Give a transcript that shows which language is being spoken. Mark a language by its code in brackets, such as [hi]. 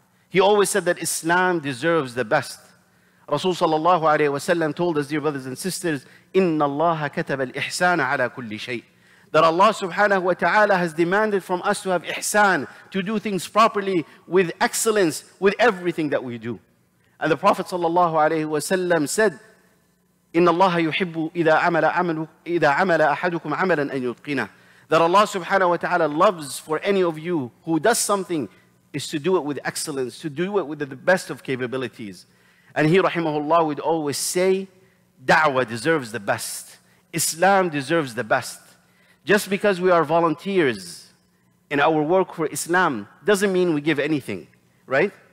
[en] He always said that Islam deserves the best. Rasul sallallahu alayhi wa sallam told us, dear brothers and sisters, [ar] إِنَّ اللَّهَ كَتَبَ الْإِحْسَانَ عَلَى كُلِّ شَيْءٍ. [en] That Allah subhanahu wa ta'ala has demanded from us to have ihsan, to do things properly, with excellence, with everything that we do. And the Prophet [ar] sallallahu alayhi wa sallam said, إِنَّ اللَّهَ يُحِبُّ إِذَا عَمَلَ أَحَدُكُمْ عَمَلًا أَنْ يُتْقِنَهُ. [en] That Allah subhanahu wa ta'ala loves for any of you who does something is to do it with excellence, to do it with the best of capabilities. And he, rahimahullah, would always say, da'wah deserves the best. Islam deserves the best. Just because we are volunteers in our work for Islam doesn't mean we give anything, right?